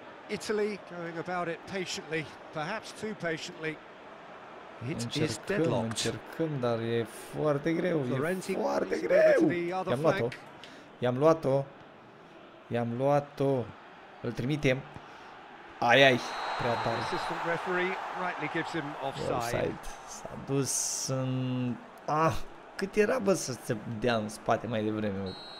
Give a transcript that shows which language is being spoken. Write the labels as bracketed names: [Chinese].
[English] Italy going about it patiently, perhaps too patiently. It is deadlocked. [Romanian] Încercăm, dar e foarte greu, Florenti, e foarte greu. I-am luat-o. I-am luat-o. Îl trimitem. Ai, ai, prea tare. [English] Assistant referee rightly gives him offside. [Romanian] S-a dus în... Ah, cât era, bă, să se dea în spate mai devreme, bă.